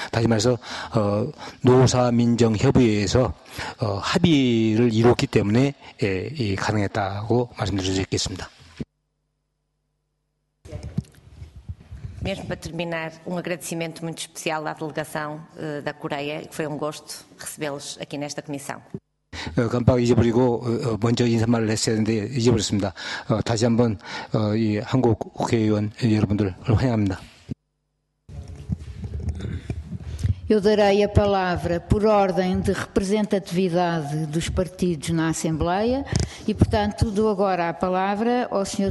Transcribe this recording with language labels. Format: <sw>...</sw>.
<ko>다시 말해서 노사 민정 협의회에서 합의를 이뤘기 때문에 가능했다고 말씀드릴 수 있겠습니다.</ko> <pt>Mesmo para terminar, um agradecimento muito especial à delegação da Coreia, que foi um gosto recebê-los aqui nesta comissão.</pt> <ko>깜빡 잊어버리고 먼저 인사말을 했어야 했는데 잊어버렸습니다. 다시 한번 이 한국 국회의원 여러분들을 환영합니다.</ko> <pt>Eu darei a palavra por ordem de representatividade dos partidos na Assembleia e, portanto, dou agora a palavra ao Sr.</pt>